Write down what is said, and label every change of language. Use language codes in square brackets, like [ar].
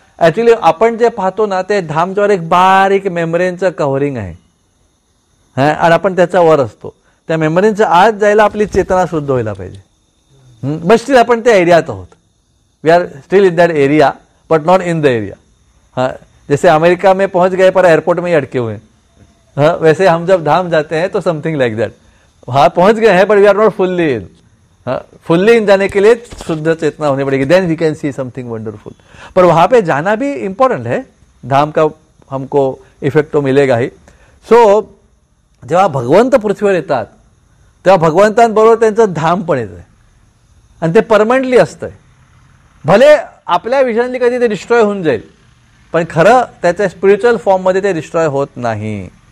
[mr] Actually आपण जे पाहतो ना ते धामजवळ एक बारीक मेमरींचं कव्हरिंग आहे, हां, आणि आपण त्याच्या वर असतो. त्या मेमरींचं आज जायला आपली चेतना शुद्ध व्हायला पाहिजे. बट स्टील आपण त्या एरियात आहोत, [en] We are still in that area but not in the area. [hi] हां, जैसे अमेरिका में पहुंच गए पर एअरपोर्ट में अटके हुए, हां, वैसे हम जब धाम जाते हैं तो [en] Something like that. [hi] हां, पहुंच गए हैं पर [en] We are not fully in. [hi] Fully in जाने के लिए शुद्ध चेतना होनी पड़ेगी, [en] Then we can see something wonderful. [hi] पर वहां पे जाना भी इंपॉर्टेंट है, धाम का हमको इफेक्ट तो मिलेगा ही. [mr] सो जेव्हा भगवंत पृथ्वीवर येतात तेव्हा भगवंतांबरोबर त्यांचं धाम पण येतं आणि ते परमनंटली असतंय. भले आपल्या विजनली कधी ते डिस्ट्रॉय होऊन जाईल पण खरं त्याच्या स्पिरिच्युअल फॉर्ममध्ये ते डिस्ट्रॉय होत नाही.